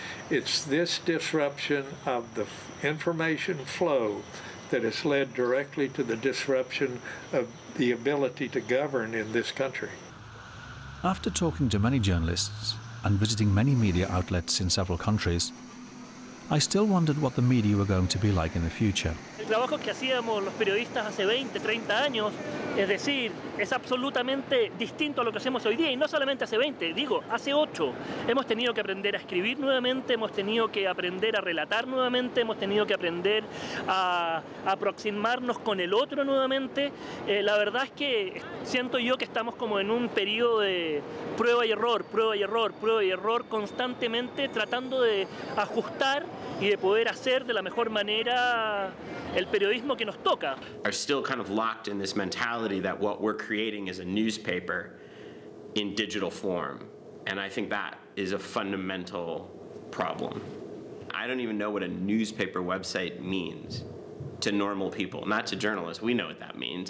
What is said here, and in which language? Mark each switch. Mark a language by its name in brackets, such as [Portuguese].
[English] It's this disruption of the information flow that has led directly to the disruption of the ability to govern in this country. After talking to many journalists and visiting many media outlets in several countries, I still wondered what the media were going to be like in the future. [Spanish] El trabajo que hacíamos los periodistas hace 20, 30 años, es decir, es absolutamente distinto a lo que hacemos hoy día, y no solamente hace 20, digo, hace 8. Hemos tenido que aprender a escribir nuevamente, hemos tenido que aprender a relatar nuevamente, hemos tenido que aprender a aproximarnos con el otro nuevamente. La verdad es que siento yo que estamos como en un periodo de prueba y error, prueba y error, prueba y error, constantemente tratando de ajustar y de poder hacer de la mejor manera el periodismo que nos toca. [English] Are still kind of locked in this mentality that what we're creating is a newspaper in digital form. And I think that is a fundamental problem. I don't even know what a newspaper website means to normal people, not to journalists. We know what that means.